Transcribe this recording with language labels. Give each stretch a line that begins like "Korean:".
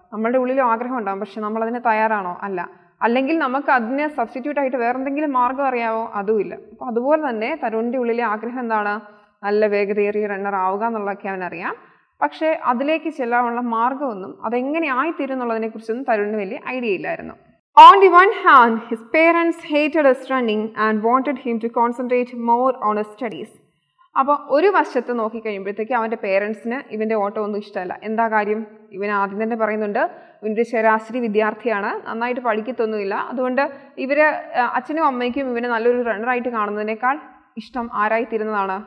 Malayalam: നമ്മളുടെ ഉള്ളിലും ആഗ്രഹം ഉണ്ടാവും, പക്ഷെ നമ്മളതിന് തയ്യാറാണോ? അല്ല. അല്ലെങ്കിൽ നമുക്ക് അതിന് സബ്സ്റ്റിറ്റ്യൂട്ട് ആയിട്ട് വേറെ എന്തെങ്കിലും മാർഗം അറിയാവോ? അതുമില്ല. അപ്പോൾ അതുപോലെ തന്നെ തരുണിൻ്റെ ഉള്ളിലെ ആഗ്രഹം എന്താണ്? നല്ല വേഗതയേറിയ റണ്ണർ ആവുക എന്നുള്ളതൊക്കെ അവനറിയാം. പക്ഷേ അതിലേക്ക് ചെല്ലാനുള്ള മാർഗമൊന്നും അതെങ്ങനെയായിത്തീരും എന്നുള്ളതിനെക്കുറിച്ചൊന്നും തരുണിന് വലിയ ഐഡിയ ഇല്ലായിരുന്നു.
English: Only one hand, his parents hated his running and wanted him to concentrate more on his studies.
Malayalam: അപ്പോൾ ഒരു വശത്ത് നോക്കിക്കഴിയുമ്പോഴത്തേക്ക് അവൻ്റെ പേരൻസിന് ഇവൻ്റെ ഓട്ടം ഒന്നും ഇഷ്ടമല്ല. എന്താ കാര്യം? ഇവൻ ആദ്യം തന്നെ പറയുന്നുണ്ട് ഇവൻ്റെ ശരാശരി വിദ്യാർത്ഥിയാണ്, നന്നായിട്ട് പഠിക്കത്തൊന്നുമില്ല, അതുകൊണ്ട് ഇവർ അച്ഛനും അമ്മയ്ക്കും ഇവനെ നല്ലൊരു റണ്ണറായിട്ട് കാണുന്നതിനേക്കാൾ ഇഷ്ടം ആരായിത്തീരുന്നതാണ്?